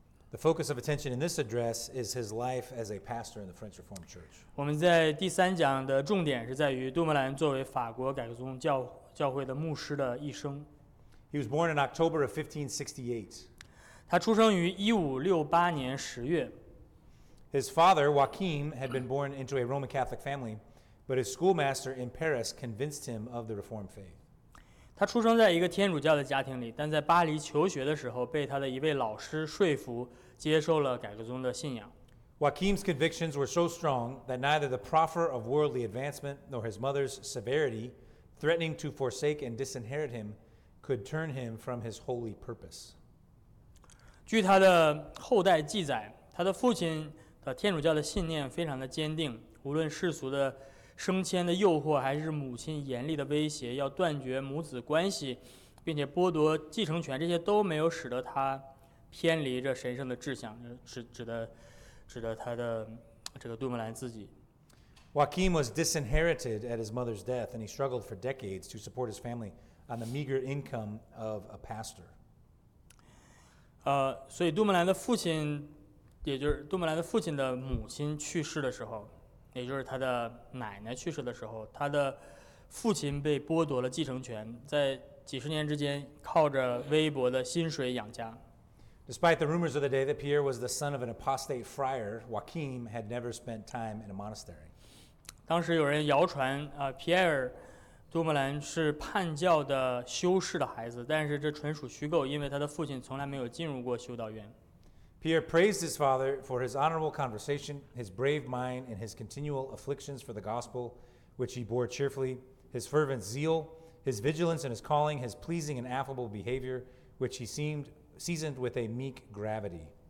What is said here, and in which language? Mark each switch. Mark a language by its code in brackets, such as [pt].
[en] The focus of attention in this address is his life as a pastor in the French Reformed Church. [zh] 我们在第三讲的重点是在于杜牧兰作为法国改革宗教会的牧师的一生。 [en] He was born in October of 1568. [zh] 他出生于1568年10月。 [en] His father, Joachim, had been born into a Roman Catholic family, but his schoolmaster in Paris convinced him of the Reformed faith. [zh] 他出生在一个天主教的家庭里，但在巴黎求学的时候被他的一位老师说服接受了改革宗的信仰。 [en] Joachim's convictions were so strong that neither the proffer of worldly advancement nor his mother's severity, threatening to forsake and disinherit him, could turn him from his holy purpose. [zh] 据他的后代记载，他的父亲的天主教的信念非常的坚定，无论世俗的升迁的诱惑还是母亲严厉的威胁要断绝母子关系并且剥夺继承权，这些都没有使得他偏离这神圣的志向，指的他的这个杜牧兰自己。 [en] Joachim was disinherited at his mother's death and he struggled for decades to support his family on the meager income of a pastor. [zh] 所以杜牧兰的父亲，也就是杜牧兰的父亲的母亲去世的时候，也就是他的奶奶去世的时候，他的父亲被剥夺了继承权，在几十年之间靠着微薄的薪水养家。 [en] Despite the rumors of the day that Pierre was the son of an apostate friar, Joachim had never spent time in a monastery. [zh] 当时有人谣传，Pierre, 杜牧兰是叛教的修士的孩子，但是这纯属虚构，因为他的父亲从来没有进入过修道院。 [en] Pierre praised his father for his honorable conversation, his brave mind, and his continual afflictions for the gospel, which he bore cheerfully, his fervent zeal, his vigilance and his calling, his pleasing and affable behavior, which he seemed seasoned with a meek gravity.